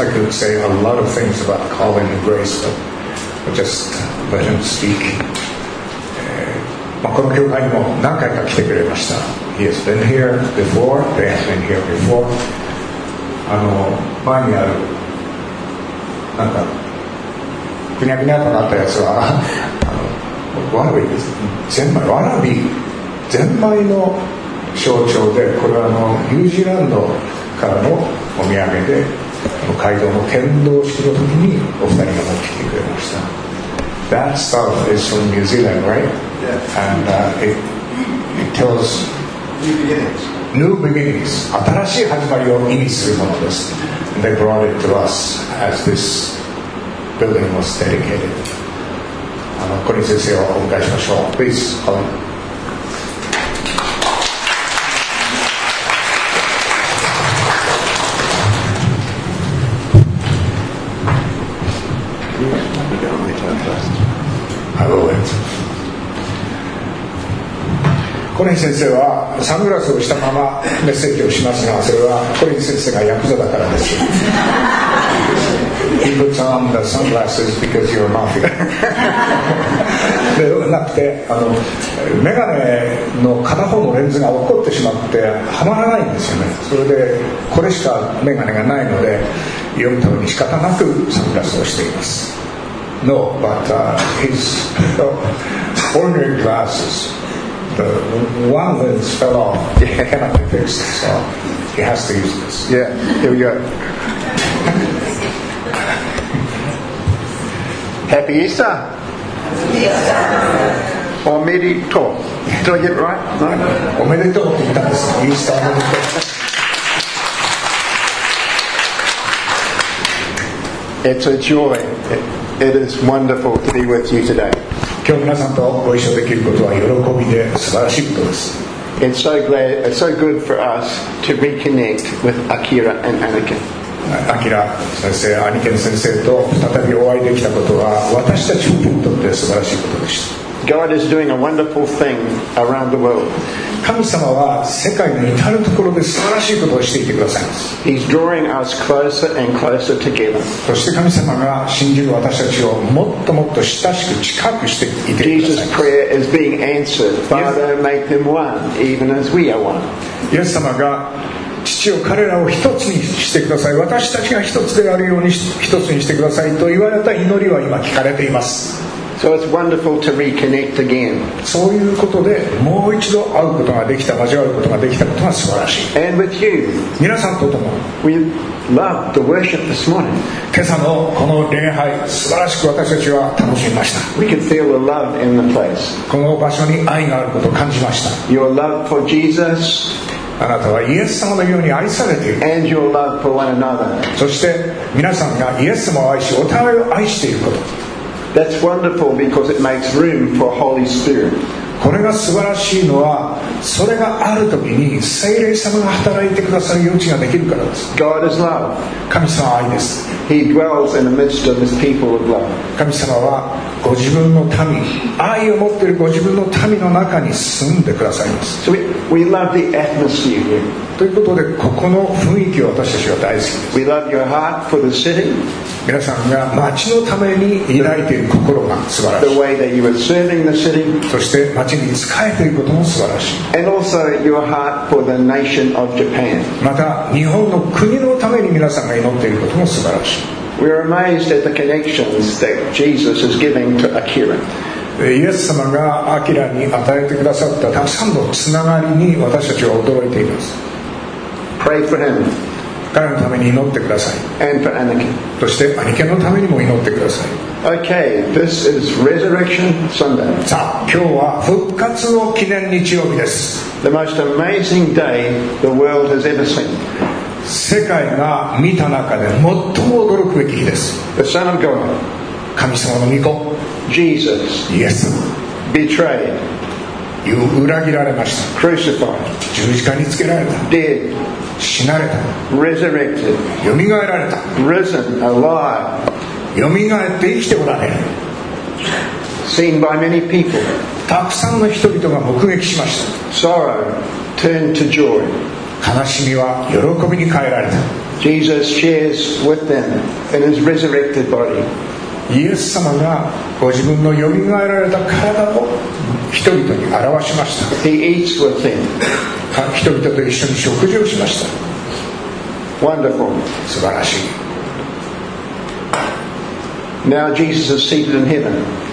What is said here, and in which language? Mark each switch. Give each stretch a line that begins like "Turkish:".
English: I could say a lot of things about Colin and Grace, but just let him speak.
Japanese: まあ、この教会にも何回か来てくれました。
English: He has been here before, they have been here before.
Japanese: あの前にあるなんかぐにゃぐにゃとなったやつはわらびです。ゼンマイ、わらび、ゼンマイの象徴で、これはあのニュージーランドからのお土産で、この街道の剣道式の時にお二人が持ってきてくれました。
English: That stuff is from New Zealand, right? Yes. And it tells new beginnings. New beginnings.
Japanese: 新しい始まりを意味するものです。
English: And they brought it to us as this building was dedicated.
Japanese: コリン先生をお迎えしましょう。
English: Please, Colin. I will wait.
Japanese: コリン先生はサングラスをしたままメッセージをしますが、それはコリン先生がヤクザだからです。
English: He puts on the sunglasses because you're a mafia.
Japanese: ではなくて、あのメガネの片方のレンズが落っこってしまってはまらないんですよね。それでこれしかメガネがないので読むために仕方なくサングラスをしています。
English: No, but his ordinary glasses, the one lens fell off. He cannot be fixed, so he has to use this. Yeah, here we go. Happy Easter. Happy Easter. Omerito. Did I get it right? No. Omerito. Easter. It's a joy. It is wonderful to be with you today.
Japanese: 今日皆さんとご一緒できることは喜びで素晴らしいことです。
English: It's so glad. It's so good for us to reconnect with Akira and Anakin.
Japanese: アキラ先生、アニケン先生と再びお会いできたことは私たちにとって素晴らしいことでした。
English: God is doing a wonderful thing around the world.
Japanese: 神様は世界の至るところで素晴らしいことをしていてくださいます。
English: He's drawing us closer and closer together.
Japanese: そして神様が信じる私たちをもっともっと親しく近くしていてください。
English: Jesus' prayer is being answered. Father, make them one, even as we are one.
Japanese: イエス様が父を彼らを一つにしてください、私たちが一つであるように一つにしてくださいと言われた祈りは今聞かれています。
English: So it's wonderful to reconnect again.
Japanese: そういうことでもう一度会うことができた、交わることができたことが素晴らしい。
English: And with you,
Japanese: 皆さんと共に
English: We loved the worship this morning.
Japanese: 今朝のこの礼拝素晴らしく私たちは楽しみました。
English: We can feel the love in the place.
Japanese: この場所に愛があることを感じました。
English: Your love for Jesus.
Japanese: あなたはイエス様のように愛されている。
English: And your love for one another.
Japanese: そして皆さんがイエス様を愛しお互いを愛していること、
English: That's wonderful because it makes room for Holy Spirit.
Japanese: これが素晴らしいのは、それがあるときに聖霊様が働いてくださる余地ができるからです。
English: God is love.
Japanese: 神様は愛です。
English: He dwells in the midst of his people of love.
Japanese: 神様はご自分の民、愛を持っているご自分の民の中に住んでくださいます。
English: So we love the atmosphere here.
Japanese: ということで、ここの雰囲気を私たちは大好きです。
English: We love your heart for the city.
Japanese: 皆さんが街のために抱いている心が素晴らしい。
English: The way that you are serving the city.
Japanese: そして街に仕えていることも素晴らしい。
English: And also your heart for the nation of Japan.
Japanese: また日本の国のために皆さんが祈っていることも素晴らしい。
English: We are amazed at the connections that Jesus is giving to Akira.
Japanese: イエス様がアキラに与えてくださったたくさんのつながりに私たちは驚いています。
English: Pray for him.
Japanese: 彼のために祈ってください。
English: And for Anakin.
Japanese: そしてアニケンのためにも祈ってください。
English: Okay, this is Resurrection Sunday.
Japanese: さあ、今日は復活の記念日曜日です。
English: The most amazing day the world has ever seen.
Japanese: 世界が見た中で最も驚くべき日です。
English: The Son of God.
Japanese: 神様の御子。
English: Jesus. Yes. Betrayed.
Japanese: 裏切られました。
English: Crucified.
Japanese: 十字架につけられた。
English: Dead.
Japanese: 死なれた。
English: Resurrected.
Japanese: 蘇られた。
English: Risen. Alive.
Japanese: 蘇って生きておられる。
English: Seen by many people.
Japanese: たくさんの人々が目撃しました。
English: Sorrow turned to joy.
Japanese: 悲しみは喜びに変えられた。
English: Jesus shares with them in his resurrected body.
Japanese: イエス様がご自分の蘇られた体を人々に表しました。
English: He eats with them.
Japanese: 人々と一緒に食事をしました。
English: Wonderful.
Japanese: 素晴らしい。
English: Now Jesus is seated in heaven.